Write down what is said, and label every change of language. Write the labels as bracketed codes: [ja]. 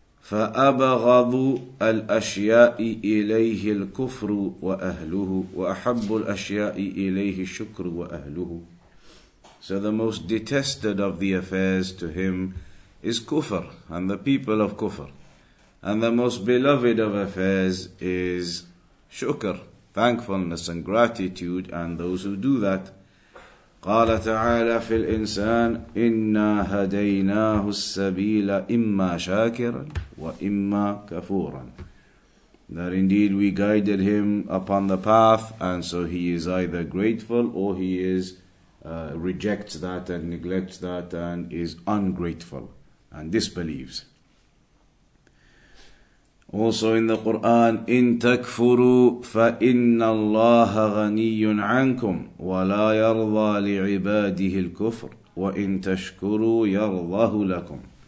[ar] فَأَبَغَضُ الْأَشْيَاءِ إِلَيْهِ الْكُفْرُ وَأَهْلُهُ وَأَحَبُّ الْأَشْيَاءِ إِلَيْهِ الشُّكْرُ وَأَهْلُهُ. [en] So the most detested of the affairs to him is kufr and the people of kufr. And the most beloved of affairs is shukr, thankfulness and gratitude, and those who do that. [ar] قال تعالى في الإنسان إنا هديناه السبيل إما شاكرا وإما كفورا. [en] That indeed we guided him upon the path, and so he is either grateful or he is rejects that and neglects that and is ungrateful and disbelieves. Also in the Quran, [ar] إِن تَكْفُرُوا فَإِنَّ اللَّهَ غَنِيٌّ عَنْكُمْ وَلَا يَرْضَى لِعِبَادِهِ الْكُفْرِ وَإِن تَشْكُرُوا يَرْضَهُ لَكُمْ.